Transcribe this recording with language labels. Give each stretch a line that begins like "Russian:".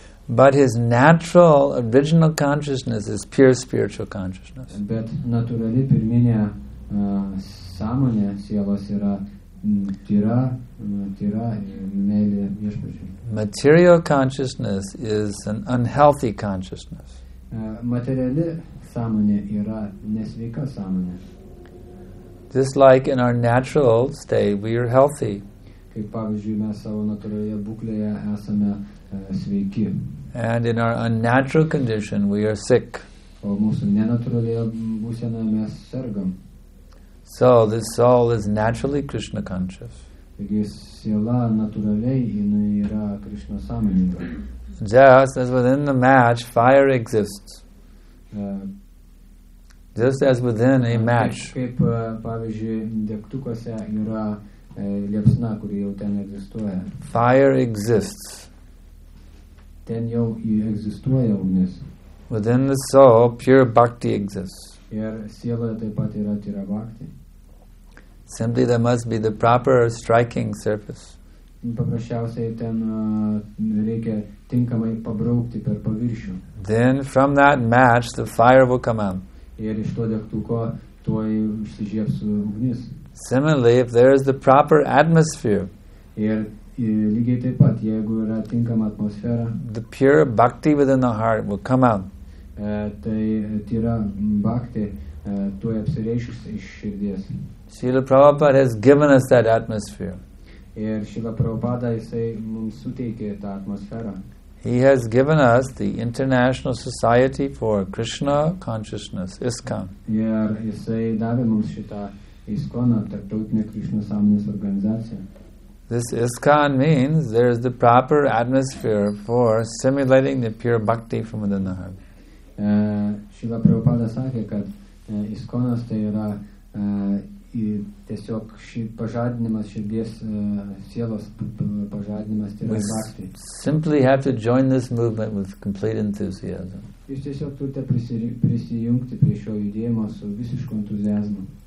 English: But his natural original consciousness is pure spiritual consciousness.
Lithuanian: Bet natūrali pirminė sąmonė sielos yra tyra meilė viešpačiui.
English: Material consciousness is an unhealthy consciousness.
Lithuanian: Materiali sąmonė yra nesveika sąmonė.
English: Just like in our natural state, we are healthy.
Lithuanian: Kaip pavyzdžiui, mes savo natūralioje būklėje esame sveiki.
English: And in our unnatural condition, we are sick.
Lithuanian: O mūsų nenatūralioje būsenoje mes sergam.
English: So this soul is naturally Krishna conscious.
Lithuanian: Taigi siela natūraliai jinai yra Krishna sąmoninga.
English: Just as within the match, fire exists. Just as within a match.
Lithuanian: Kaip pavyzdžiui, degtukuose yra liepsna, kuri jau ten egzistuoja.
English: Fire exists.
Lithuanian: Ten jau egzistuoja ugnis.
English: Within the soul, pure bhakti exists.
Lithuanian: Ir sieloje taip pat yra tyra bhakti.
English: Simply there must be the proper striking surface.
Lithuanian: Paprasčiausiai ten reikia tinkamai pabraukti per paviršių.
English: Then from that match, the fire will come out.
Lithuanian: Ir iš to degtuko tuoj užsižiebs ugnis.
English: Similarly, if there is the proper atmosphere,
Lithuanian: lygiai taip pat, jeigu yra tinkama atmosfera,
English: the pure bhakti within the heart will come out.
Lithuanian: Tai tyra bhakti tuoj apsireišis iš širdies.
English: Srila Prabhupada has given us that atmosphere.
Lithuanian: Ir Srila Prabhupada, jisai mums suteikė tą atmosferą.
English: He has given us the International Society for Krishna Consciousness, ISKCON.
Lithuanian: Ir jisai davė mums šitą ISKCONą, tarptautinę Krishna sąmonės organizaciją.
English: This ISKCON means there is the proper atmosphere for simulating the pure bhakti from within the heart.
Lithuanian: Srila Prabhupada sakė, kad ISKCONas tai yra tiesiog šį pažadinimas širdies sielos pažadinimas tai yra bhakti.
English: Simply have to join this movement with complete enthusiasm.
Lithuanian: Jūs tiesiog turite prisijungti prie šio judėjimo su visišku entuziazmu.